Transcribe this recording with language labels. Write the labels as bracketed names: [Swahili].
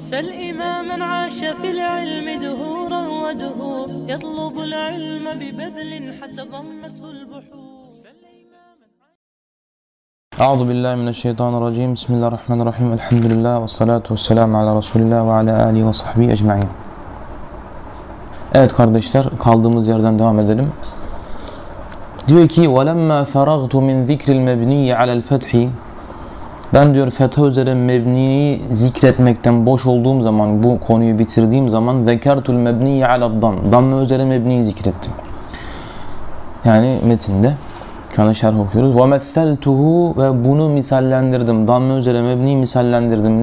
[Arabic] سل إماما عاش في العلم دهورا ودهور يطلب العلم ببذل حتى ضمته البحور. أعوذ بالله من الشيطان الرجيم. بسم الله الرحمن الرحيم. الحمد لله والصلاة والسلام على رسول الله وعلى آله وصحبه أجمعين. [Turkish] Evet kardeşler, kaldığımız yerden devam edelim. Diyor ki [Arabic] وَلَمَّا فَرَغْتُ مِنْ ذِكْرِ الْمَبْنِيَ عَلَى الْفَتْحِ. [Turkish] Ben diyor fetha üzere mebniyi zikretmekten boş olduğum zaman, bu konuyu bitirdiğim zaman [Arabic] ذَكَرْتُ الْمَبْنِيَ عَلَى الضَّمِّ. [Turkish] Damme üzere mebniyi zikrettim. Yani metinde. Şu anda şerh okuyoruz. [Arabic] وَمَثَّلْتُهُ [Turkish] ve bunu misallendirdim. Damme üzere mebniyi misallendirdim.